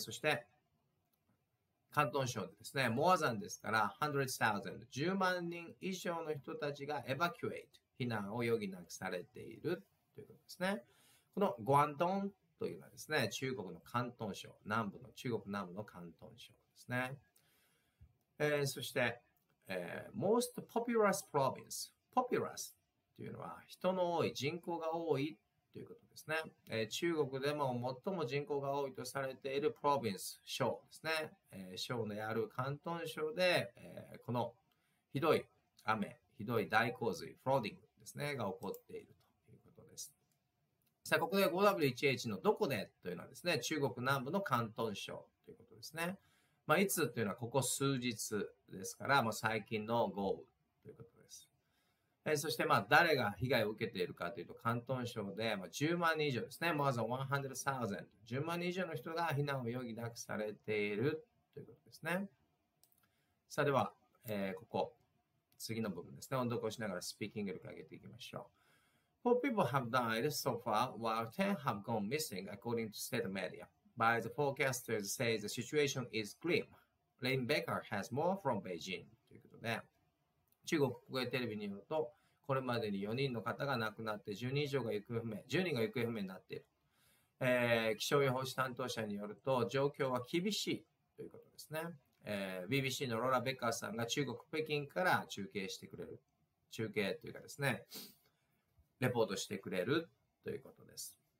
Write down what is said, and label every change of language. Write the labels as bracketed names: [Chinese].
[Japanese] そして、広東省でですね、 [English] more than [Japanese] ですから、100,000、10万人以上の人たちが evacuate。避難を余儀なくされているということですね。このグアンドンというのはですね、中国の広東省、南部の中国南部の広東省ですね。 [English] そして、Most Populous Province。 [Japanese] Populous というのは人の多い、人口が多いということですね。中国でも最も人口が多いとされている Province、省ですね。省のある広東省で、このひどい雨、ひどい大洪水、フローディングですね、が起こっているということです。さあ、ここで 5W1H のどこでというのはですね、中国南部の広東省ということですね。まあ、いつというのはここ数日ですから、まあ、最近の豪雨ということです。そして、まあ、誰が被害を受けているかというと、広東省で、まあ、10万人以上ですね、まずは 100,000、10万人以上の人が避難を余儀なくされているということですね。さあ、では、ここ。次の部分ですね。音読をしながらスピーキング力を上げていきましょう。 [English] Four people have died so far, while 10 have gone missing, according to state media. By the forecasters say the situation is grim. Lane Baker has more from Beijing. [Japanese] ということで、中国国営テレビによると、これまでに4人の方が亡くなって10人以上が行方不明、10人が行方不明になっている。気象予報士担当者によると、状況は厳しいということですね。 BBC のローラ・ベッカーさんが中国北京から中継してくれる、中継というかですね、レポートしてくれるということです。